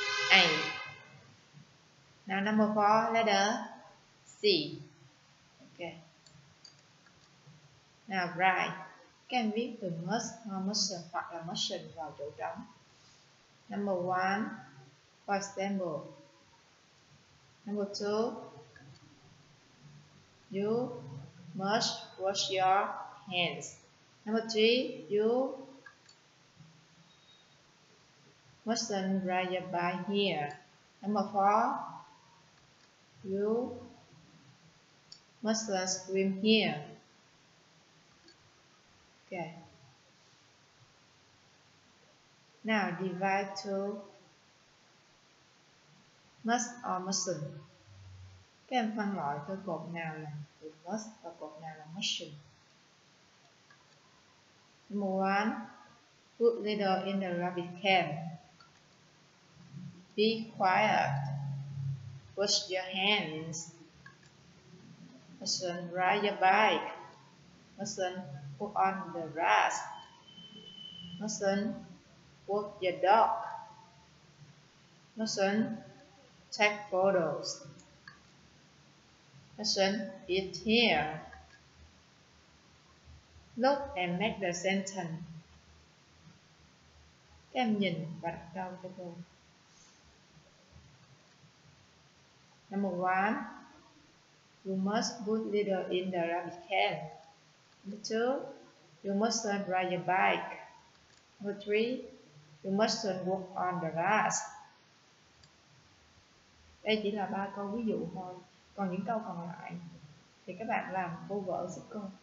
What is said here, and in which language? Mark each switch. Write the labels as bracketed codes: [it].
[en] A. Now number 4. Letter C. Ok. Now write. [vi] Các em viết từ must or mustn't hoặc là mustn't vào chỗ trống. [en] Number one, for example. Number two, you must wash your hands. Number three, you mustn't ride your bike here. Number four, you mustn't swim here. Okay. Now divide to must or mustn't. [vi] Các em phân loại cho cột nào là từ must và cột nào là mustn't. [en] Number one, put little in the rabbit camp. Be quiet. Wash your hands. Mustn't ride your bike. Mustn't put on the grass. Mustn't walk your dog. Mustn't take photos. Mustn't eat here. Look and make the sentence. [vi] Các em nhìn và đặt câu cho cô. [en] Number one, you must put little in the rubbish can. Number two, you mustn't ride your bike. Number three, you mustn't walk on the grass. [vi] Đây chỉ là ba câu ví dụ thôi. Còn những câu còn lại thì các bạn làm cô vỡ giúp cô.